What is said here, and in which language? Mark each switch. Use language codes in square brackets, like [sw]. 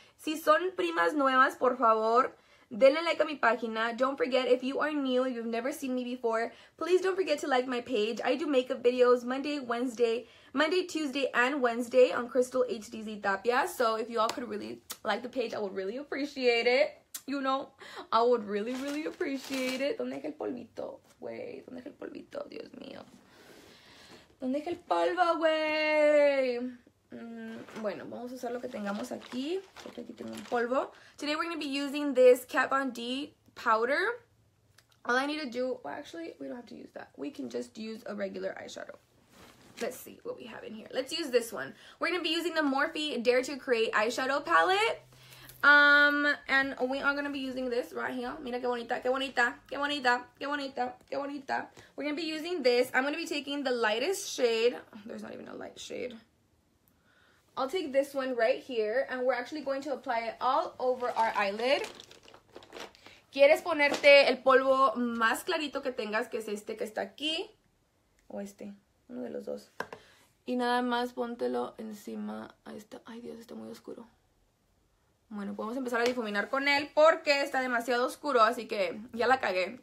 [es] Si son primas nuevas, por favor, denle like a mi página. [en] Don't forget, if you are new, you've never seen me before, please don't forget to like my page. I do makeup videos Monday, Tuesday, and Wednesday on Crystal HDZ Tapia. So if you all could really like the page, I would really appreciate it. You know, I would really, really appreciate it. [es] ¿Dónde es el polvito? Wey, ¿dónde es el polvito? Dios mío. ¿Dónde es el polvo, wey? Bueno, vamos a usar lo que tengamos aquí. Porque aquí tengo un polvo. [en] Today we're going to be using this Kat Von D powder. All I need to do... Well, actually, we don't have to use that. We can just use a regular eyeshadow. Let's see what we have in here. Let's use this one. We're going to be using the Morphe Dare to Create eyeshadow palette. And we are going to be using this right here. [es] Mira que bonita, que bonita, [en] que bonita, que bonita, que bonita. We're going to be using this. I'm going to be taking the lightest shade. There's not even a light shade. I'll take this one right here, and we're actually going to apply it all over our eyelid. [es] ¿Quieres ponerte el polvo más clarito que tengas, que es este que está aquí? O este, uno de los dos. Y nada más póntelo encima a esta. Ay, Dios, está muy oscuro. Bueno, podemos empezar a difuminar con él porque está demasiado oscuro, así que ya la cagué.